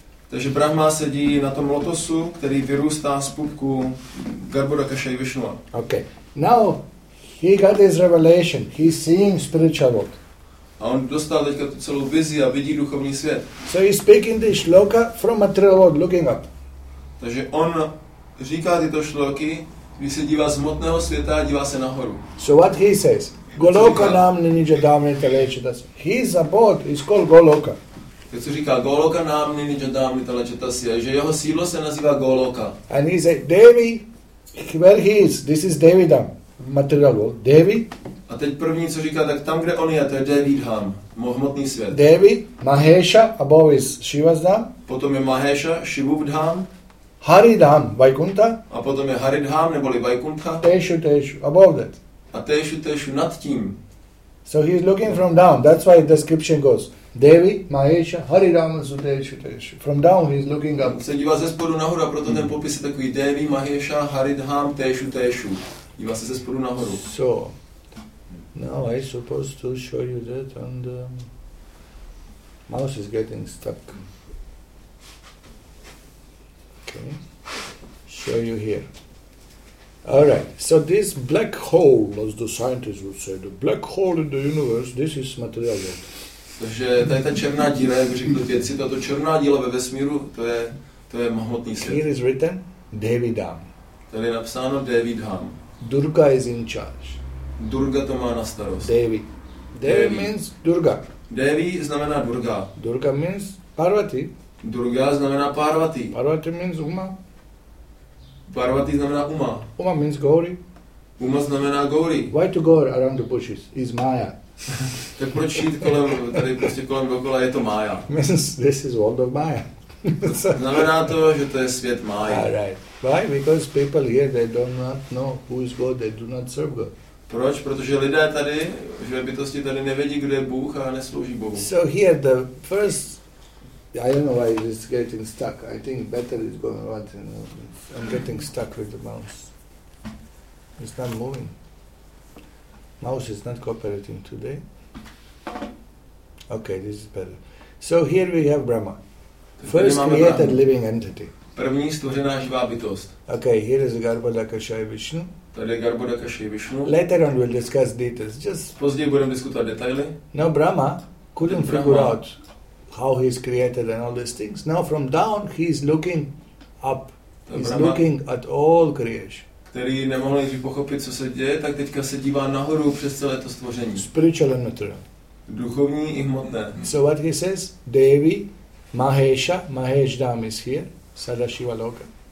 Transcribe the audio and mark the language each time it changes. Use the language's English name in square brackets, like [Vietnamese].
[Czech] Takže Brahma sedí na tom lotosu, který vyrůstá z pupku Garbhodakasha i Vishnua. [English] Okay. Now he got his revelation. He's seeing spiritual world. [Czech] A on dostal teďka tu celou vizi a vidí duchovní svět. [English] So he's speaking the shloka from material world, looking up. [Czech] Takže on říká tyto šloky, když se dívá z hmotného světa a dívá se nahoru. [English] So what he says? [Sanskrit] Goloka nam ninja damne telechitas. [English] His abode is called Goloka. [Czech] Tak co říká [Sanskrit] Goloka nam ninja damne telechitas, [Czech] že jeho sídlo se nazývá Goloka. [English] And he said, Devi, where he is, this is Devidham, material world. Devi. [Czech] A teď první, co říká, tak tam, kde on je, to je Devidham, hmotný svět. [English] Devi, Mahesha, above is Shivasdham. [Czech] Potom je Mahesha, Shivudham. [English] Haridham, Vaikuntha. [Czech] A potom je Haridham, neboli Vaikuntha. [English] Teshu, teshu, above that. [Czech] A tešu nad tím. [English] So he is looking from down. That's why the description goes Devi, Mahesha, Hari Rama, so tešu, tešu. From down he is looking up. [Czech] Se dívá ze spodu nahoru, proto ten popis je takový Devi, Mahesha, Hari Dham, tešu, tešu. Dívá se ze spodu nahoru. [English] So, now I supposed to show you that and mouse is getting stuck. Okay, show you here. All right, so this black hole, as the scientists would say, the black hole in the universe, this is material world. [Czech] Takže tady ta černá díla, jak řekl vědci, tato černá díla ve vesmíru, to je mohutný svět. [English] Here is written Devidham. [Czech] Tady je napsáno Devidham. [English] Durga is in charge. [Czech] Durga to má na starost. [English] Devi. Devi means Durga. [Czech] Devi znamená Durga. [English] Durga means Parvati. [Czech] Durga znamená Parvati. [English] Parvati means Uma. [Czech] Parvati znamená Uma. [English] Uma means Gauri. [Czech] Uma znamená Gauri. [English] Why to go around the bushes? Is Maya. [Czech] Tak proč jít kolem, tady prostě kolem dokola, je to Maya. [English] Means this is world of Maya. [Czech] Znamená to, že to je svět Maya. [English] All right. Why? Because people here, they do not know who is God, they do not serve God. [Czech] Proč? Protože lidé tady, že bytosti tady nevědí, kdo je Bůh a neslouží Bohu. [English] So here the first... I don't know why it's getting stuck. I think better is going on. I'm getting stuck with the mouse. It's not moving. Mouse is not cooperating today. Okay, this is better. So here we have Brahma. First created living entity. [Czech] První stvořená živá bytost. [English] Okay, here is Garbhodakasha Vishnu. [Czech] Tady je Garbhodakasha Vishnu. [English] Later on we'll discuss details. Just [Czech] později budeme diskutovat detaily. [English] Now Brahma couldn't figure out how he is created and all these things. Now from down he is looking up. He's looking at all creation. [Czech] Který nemohl nikdy pochopit, co se děje, tak teďka se dívá nahoru přes celé to stvoření. [English] Spiritual and material. [Czech] Duchovní i hmotné. [English] So what he says? Devi, Mahesha, Mahesh Dham is here, Sadashiva Loka.